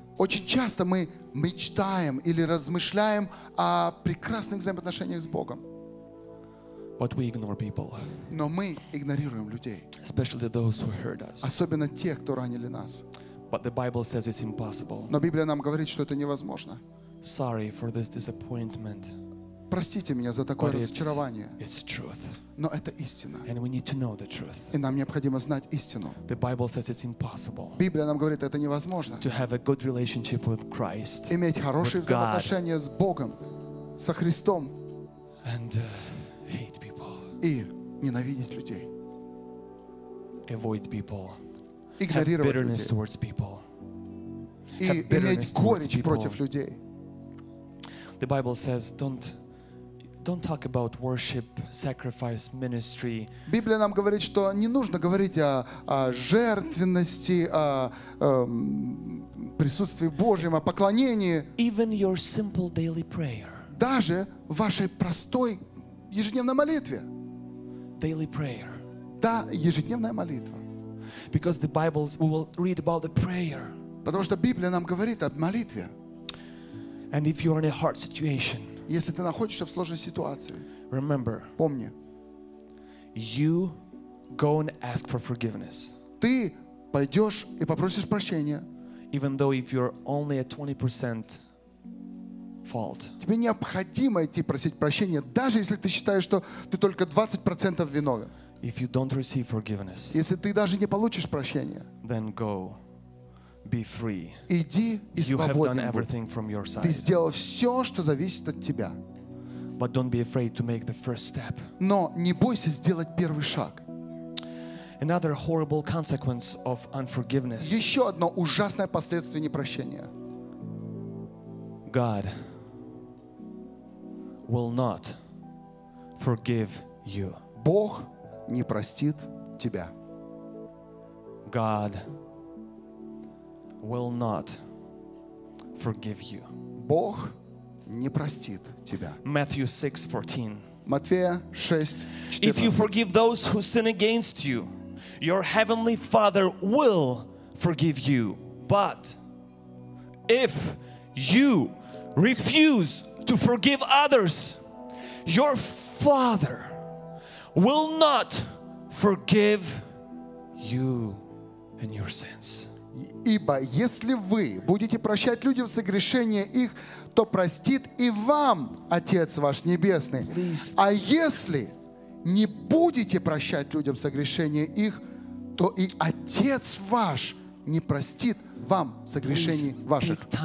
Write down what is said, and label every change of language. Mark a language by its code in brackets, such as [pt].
[ru] Очень часто мы мечтаем или размышляем о прекрасных взаимоотношениях с Богом. [en] But we ignore people. [ru] Но мы игнорируем людей. [en] Especially those who hurt us. [ru] Особенно тех, кто ранили нас. [en] But the Bible says it's impossible. [ru] Но Библия нам говорит, что это невозможно. [en] Sorry for this disappointment. [ru] Простите меня за такое разочарование. [en] It's truth. [ru] Но это истина. [en] And we need to know the truth. [ru] И нам необходимо знать истину. [en] The Bible says it's impossible. [ru] Библия нам говорит, это невозможно. [en] To have a good relationship with Christ. [ru] Иметь хорошие взаимоотношения с Богом, со Христом. [en] And hate people. [ru] И ненавидеть людей. [en] Avoid people. [ru] Игнорировать [en] have bitterness [ru] людей. [en] Towards people. [ru] И иметь горечь против людей. [en] The Bible says, don't talk about worship, sacrifice, ministry. [ru] Библия нам говорит, что не нужно говорить о жертвенности, о присутствии Божьем, о поклонении. [en] Even your simple daily prayer. [ru] Даже в вашей простой ежедневной молитве. [en] Daily prayer. [ru] Да, ежедневная молитва. [en] Because the Bible, we will read about the prayer. [ru] Потому что Библия нам говорит об молитве. [en] And if you are in a hard situation, [ru] если ты находишься в сложной ситуации, [en] remember, [ru] помни, [en] you go and ask for forgiveness. [ru] Ты пойдешь и попросишь прощения, [en] even though if you're only at 20% fault. [ru] Тебе необходимо идти просить прощения, даже если ты считаешь, что ты только 20% виновен. [en] If you don't receive forgiveness, [ru] если ты даже не получишь прощения, [en] then go. Be free. [ru] Иди и [en] you [ru] свободен. [en] Have done everything from your side. [ru] Ты сделал все, что зависит от тебя. [en] But don't be afraid to make the first step. [ru] Но не бойся сделать первый шаг. [en] Another horrible consequence of unforgiveness. [ru] Еще одно ужасное последствие непрощения. [en] God will not forgive you. [ru] Бог не простит тебя. [en] God will not forgive you. [ru] Бог не простит тебя. [en] Matthew 6:14. [ru] Матфея 6:14. [en] If you forgive those who sin against you, your heavenly Father will forgive you. But if you refuse to forgive others, your Father will not forgive you and your sins. [ru] Ибо если вы будете прощать людям согрешения их, то простит и вам Отец ваш Небесный. А если не будете прощать людям согрешения их, то и Отец ваш не простит вам согрешений ваших.